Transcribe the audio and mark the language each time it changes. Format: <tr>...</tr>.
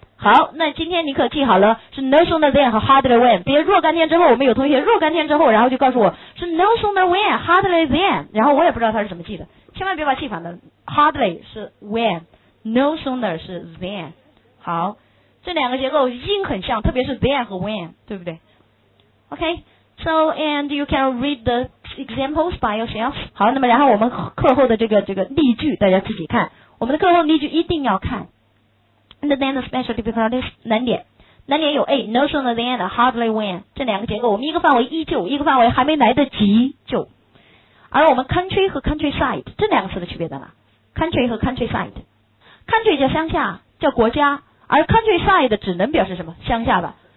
<zh>好，那今天你可记好了，是 no sooner than 和 hardly when， 别若干天之后，我们有同学若干天之后然后就告诉我是 no sooner when hardly then， 然后我也不知道他是怎么记的，千万别把记反了， hardly 是 when， no sooner 是 than。好，这两个结构音很像，特别是 then 和 when， 对不对？</zh> <en>OK， so and you can read the examples by yourself。</en> <zh>好，那么然后我们课后的这个例句大家自己看，我们的课后例句一定要看。</zh> <en>And then the special difficulties，</en> <zh>难点有 A， no sooner than， hardly when， 这两个结构我们一个范围依旧，一个范围还没来得及就。而我们 country 和 countryside 这两个词的区别在哪？country 和 countryside， country 叫乡下，叫国家，而 countryside 只能表示什么？乡下吧。</zh>